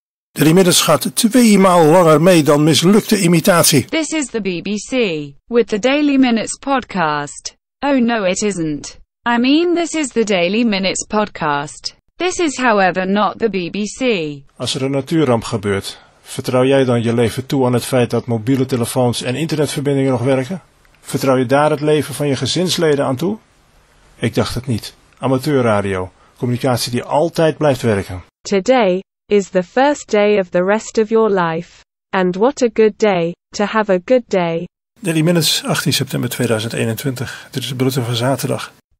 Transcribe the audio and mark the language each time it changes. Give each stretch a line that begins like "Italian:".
Dutch: De remiddes gaat 2 maal langer mee dan mislukte imitatie.
English: This is the BBC, with the Daily Minutes podcast. Oh no, it isn't. I mean, this is the Daily Minutes podcast. This is however not the BBC.
Dutch: Als er een natuurramp gebeurt, vertrouw jij dan je leven toe aan het feit dat mobiele telefoons en internetverbindingen nog werken? Vertrouw je daar het leven van je gezinsleden aan toe? Ik dacht het niet. Amateurradio, communicatie die altijd blijft werken.
English: Today is the first day of the rest of your life. And what a good day, to have a good day.
Dutch: Daily Minutes, 18 september 2021. Dit is de bulletin van zaterdag.